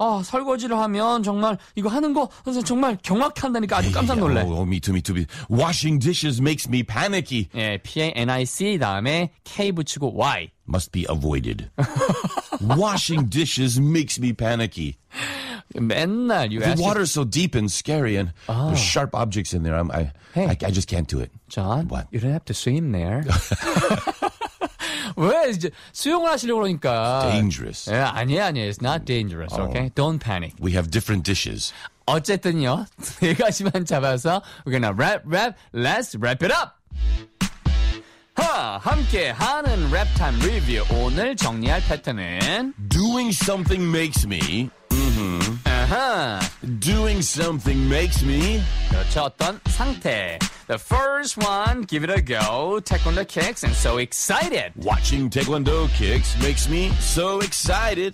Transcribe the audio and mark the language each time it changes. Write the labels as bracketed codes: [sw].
[ko] 설거지를 하면 정말 이거 하는 거 정말 경악한다니까 아주 깜짝 놀래. [en] Oh, me too. Washing dishes makes me panicky. [ko] 네, P-A-N-I-C 다음에 K 붙이고 Y. [en] Must be avoided. Washing dishes makes me panicky. [ko] 맨날 [en] The water's so deep and scary and there's sharp objects in there. I just can't do it. John, what? You don't have to swim there. [ko] 왜 이제 수영을 하시려고 그러니까. [en] It's dangerous. 예, 아니에요. It's not dangerous. Okay? Don't panic. We have different dishes. [ko] 어쨌든요. [en] 네 가지만 잡아서 [ko] we're gonna wrap. [en] Let's wrap it up. [ko] 함께 하는 랩타임 리뷰. 오늘 정리할 패턴은 [en] Doing something makes me Doing something makes me. [ko] 그렇죠, 어떤 상태. [en] The first one, give it a go. Taekwondo kicks and so excited. Watching Taekwondo kicks makes me so excited.